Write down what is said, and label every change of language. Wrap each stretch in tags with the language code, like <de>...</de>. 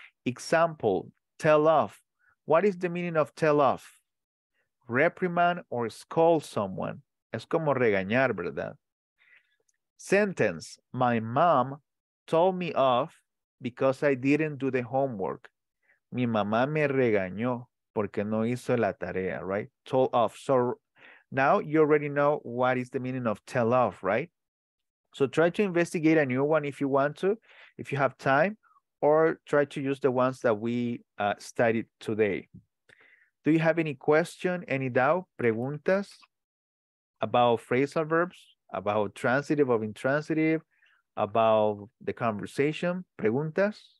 <en>Example, tell off. What is the meaning of tell off? Reprimand or scold someone.</en> <es>Es como regañar, ¿verdad?</es> <en>Sentence, my mom told me off because I didn't do the homework.</en> <es>Mi mamá me regañó porque no hizo la tarea, right?</es> <en>Told off. So now you already know what is the meaning of tell off, right? So try to investigate a new one if you want to, if you have time, or try to use the ones that we studied today. Do you have any question, any doubt, preguntas about phrasal verbs, about transitive or intransitive, about the conversation, preguntas?</en>